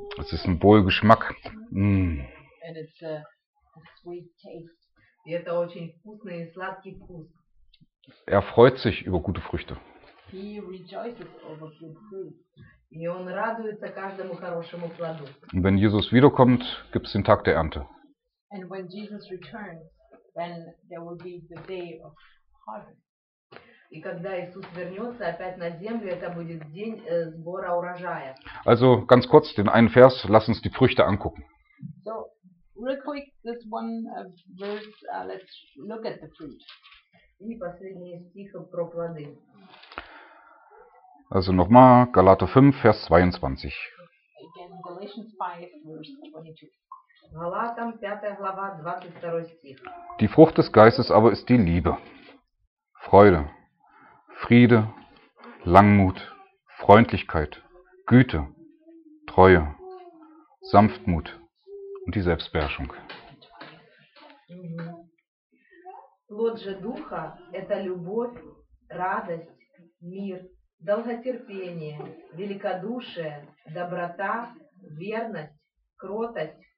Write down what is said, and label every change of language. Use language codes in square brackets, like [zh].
[de] Es ist ein Wohlgeschmack. Mm. [en] And it's a sweet taste. [ru] И это очень вкусный и сладкий вкус. [de] Er freut sich über gute Früchte. [en] He rejoices over good fruit. [ru] И он радуется каждому хорошему плоду. [de] Und wenn Jesus wiederkommt, gibt es den Tag der Ernte. [en] And when Jesus returns, then there will be the day of harvest. [ru] И когда Иисус вернется опять на землю, это будет день сбора урожая. [de] Also ganz kurz den einen Vers, lass uns die Früchte angucken. [en] So real quick this one verse, let's look at the fruit. [ru] И последний стих про плоды. [de] Also nochmal Galater 5, Vers 22. [en] Again, Galatians 5, verse 22. [ru] Галатам 5 глава 22 стих. [de] Die Frucht des Geistes aber ist die Liebe, Freude, Friede, Langmut, Freundlichkeit, Güte, Treue, Sanftmut und die Selbstbeherrschung. [ru] Плод же духа это любовь, радость, мир, долготерпение, великодушие, доброта, верность, кротость.